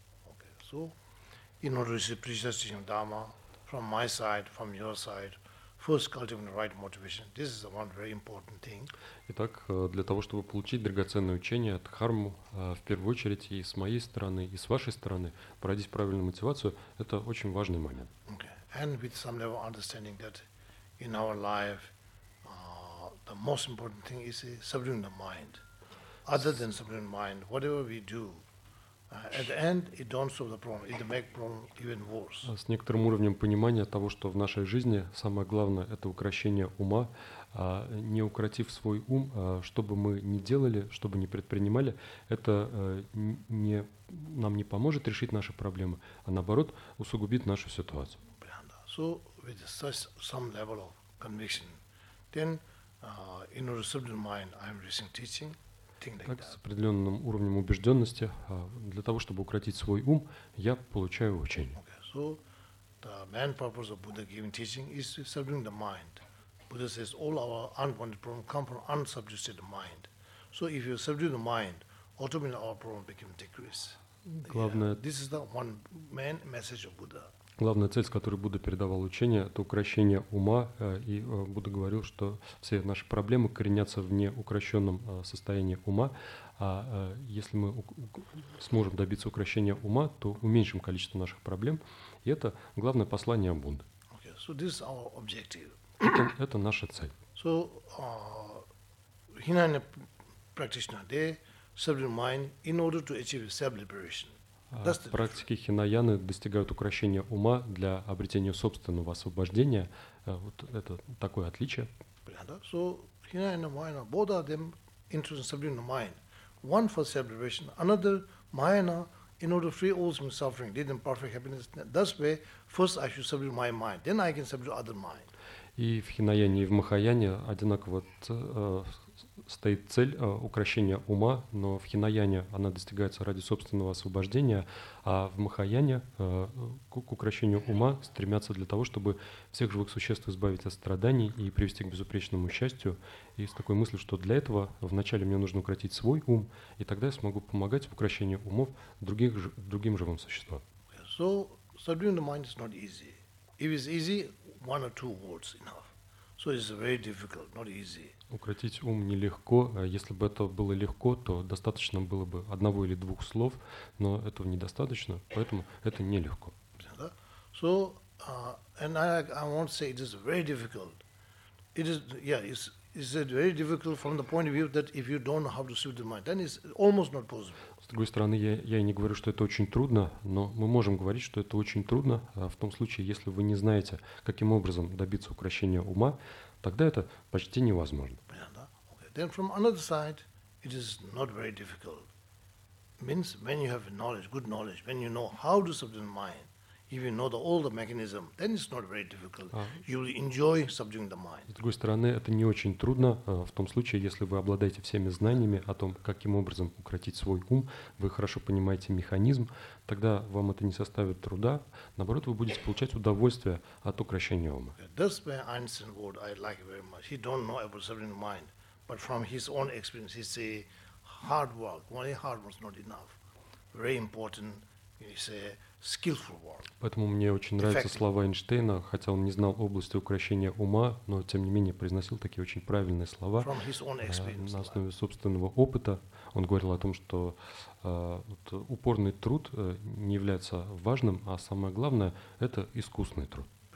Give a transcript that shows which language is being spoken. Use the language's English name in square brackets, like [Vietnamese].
[English] also, in order to precise Dharma from my side, from your side, first cultivating the right motivation. This is the one very important thing. [Russian] Итак, для того, чтобы получить драгоценное учение от Дхарму, в первую очередь и с моей стороны, и с вашей стороны, пройдите правильную мотивацию, это очень важный момент. [English] Okay. And with some level of understanding that in our life, the most important thing is subduing the mind. Other than subduing the mind, whatever we do, at the end, it don't solve the problem. It make problem even worse. [Russian] С некоторым уровнем понимания того, что в нашей жизни самое главное – это укрощение ума, не укротив свой ум, что бы мы ни делали, что бы ни предпринимали, это не, нам не поможет решить наши проблемы, а наоборот усугубит нашу ситуацию. [English] So, with such some level of conviction, then, in order to subdue the mind, I'm receiving teaching. [Russian] Так, с определенным уровнем убежденности, для того, чтобы укротить свой ум, я получаю учение. [English] Okay, so the main purpose of Buddha giving teaching is subduing the mind. Buddha says all our unwanted problems come from unsubdued mind. So if you subdue the mind, automatically our problem becomes decreased. [Russian] Главное, yeah, [English] this is the one main message of Buddha. [Russian] Главная цель, с которой Будда передавал учение, это укрощение ума. И Будда говорил, что все наши проблемы коренятся в неукрощенном состоянии ума. А если мы сможем добиться укрощения ума, то уменьшим количество наших проблем. И это главное послание Будды. [English] Okay, so this is our objective. [Russian] Это наша цель. [English] So, Hinayana practitioner, they subdue mind in order to achieve self-liberation. [Russian] Практики хинаяны достигают укрощения ума для обретения собственного освобождения. Вот это такое отличие. [English] So hinayana mayana, both of them interested in subduing the mind. One for self-liberation, another mayana in order to free all from suffering, lead them perfect happiness. That's way first I should subdue my mind, then I can subdue other mind. [Russian] И в хинаяне и в махаяне одинаково стоит цель укрощения ума, но в хинаяне она достигается ради собственного освобождения, а в махаяне к укрощению ума стремятся для того, чтобы всех живых существ избавить от страданий и привести к безупречному счастью. И с такой мыслью, что для этого вначале мне нужно укротить свой ум, и тогда я смогу помогать в укрощении умов другим живым существам. [English] So, subduing the mind is not easy. If it's easy, one or two words enough. So it's very difficult, not easy. [Russian] Укротить ум нелегко. Если бы это было легко, то достаточно было бы одного или двух слов, но этого недостаточно, поэтому это нелегко. [English] So, and I won't say it is very difficult. It is, yeah, it's very difficult from the point of view that if you don't know how to subdue the mind, then it's almost not possible. [Russian] С другой стороны, я и не говорю, что это очень трудно, но мы можем говорить, что это очень трудно в том случае, если вы не знаете, каким образом добиться укрощения ума, тогда это почти невозможно. [English] Okay. Then from another side, it is not very difficult. Means when you have knowledge, good knowledge, when you know how to subdue the mind, if you know all the mechanism, then it's not very difficult. You will enjoy subduing the mind. [Russian] С другой стороны, это не очень трудно в том случае, если вы обладаете всеми знаниями о том, каким образом укротить свой ум, вы хорошо понимаете механизм, тогда вам это не составит труда, наоборот, вы будете получать удовольствие от укрощения ума. [English] That's why Einstein word I like very much. He don't know about subduing the mind, but from his own experience, he say hard work, only hard work is not enough. Very important, he say, skillful work. [Russian] Поэтому мне очень нравятся слова Эйнштейна, хотя он не знал области укрощения ума, но тем не менее произносил такие очень правильные слова на основе собственного опыта. Он говорил о том, что упорный труд не является важным, а самое главное – это искусный труд.